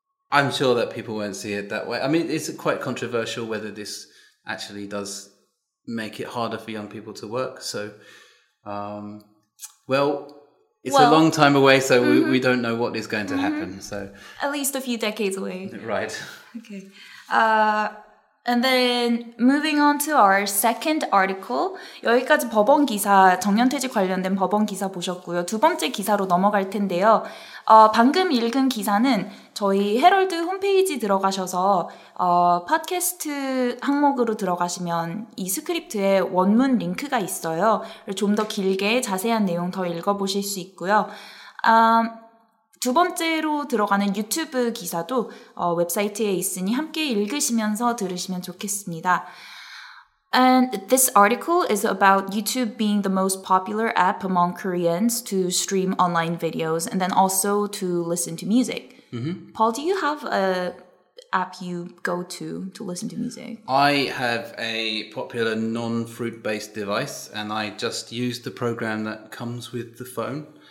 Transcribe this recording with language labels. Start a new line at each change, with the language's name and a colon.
English: I'm sure that people won't see it that way. I mean, it's quite controversial whether this actually does make it harder for young people to work. So, it's a long time away, so mm-hmm. we don't know what is going to mm-hmm. happen. So at least a few decades away. Right. Okay. And then moving on to our second article.
Korean: 여기까지 법원 기사, 정년퇴직 관련된 법원 기사 보셨고요. 두 번째 기사로 넘어갈 텐데요. 방금 읽은 기사는 저희 헤럴드 홈페이지 들어가셔서 팟캐스트 항목으로 들어가시면 이 스크립트에 원문 링크가 있어요. 좀 더 길게 자세한 내용 더 읽어보실 수 있고요. 두 번째로 들어가는 유튜브 기사도 웹사이트에 있으니 함께 읽으시면서 들으시면 좋겠습니다.
English: And this article is about YouTube being the most popular app among Koreans to stream online videos and then also to listen to music. Mm-hmm. Paul, do you have an app you go to listen to music? I have a popular non-fruit-based device and I just use the program that comes with the phone.